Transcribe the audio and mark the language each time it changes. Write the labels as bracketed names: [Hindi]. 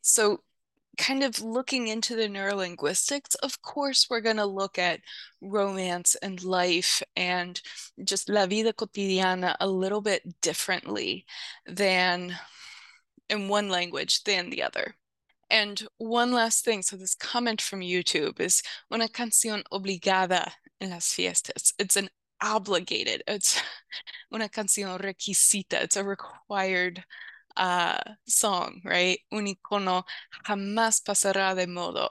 [English] So kind of looking into the neurolinguistics, of course, we're going to look at romance and life and just [Spanish] la vida cotidiana [English] a little bit differently than in one language than the other. And one last thing. So this comment from YouTube is [Spanish] una canción obligada en las fiestas. [English] It's an obligated, it's [Spanish] una canción requisita, [English] it's a required song, right? [Spanish] Un icono jamás pasará de modo.